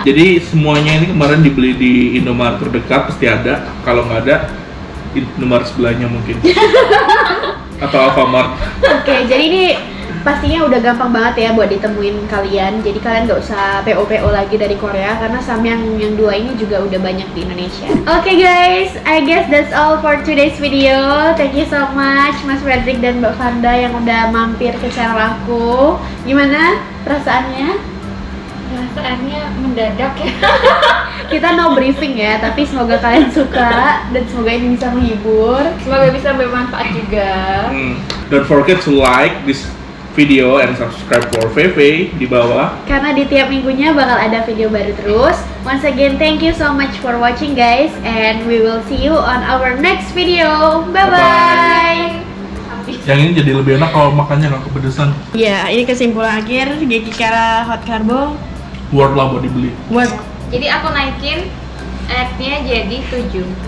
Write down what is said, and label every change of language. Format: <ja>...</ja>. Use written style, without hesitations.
<id>Jadi semuanya ini kemarin dibeli di Indomaret terdekat pasti ada. Kalau enggak ada, Indomaret sebelahnya mungkin. Atau Alfamart. Oke, jadi ini pastinya udah gampang banget ya buat ditemuin kalian. Jadi kalian gak usah PO-PO lagi dari Korea, karena Samyang yang dua ini juga udah banyak di Indonesia.</id> <en>Oke guys, I guess that's all for today's video. Thank you so much</en> <id>Mas Frederick dan Mbak Fanda yang udah mampir ke channel aku. Gimana perasaannya? Perasaannya mendadak ya. Kita</id> <en>no briefing</en> <id>ya, tapi semoga kalian suka dan semoga ini bisa menghibur. Semoga bisa bermanfaat juga.</id> <en>Don't forget to like this video and subscribe for Feve</en> <id>di bawah. Karena di tiap minggunya bakal ada video baru terus.</id> <en>Once again, thank you so much for watching guys. And we will see you on our next video. Bye-bye.</en> <id>Yang ini jadi lebih enak kalau makannya gak kepedesan. Ya, ini kesimpulan akhir. Gigi Kara Hot Carbo. Worth lah buat dibeli.</id> <en>Worth.</en> <id>Jadi aku naikin F-nya jadi 7.</id>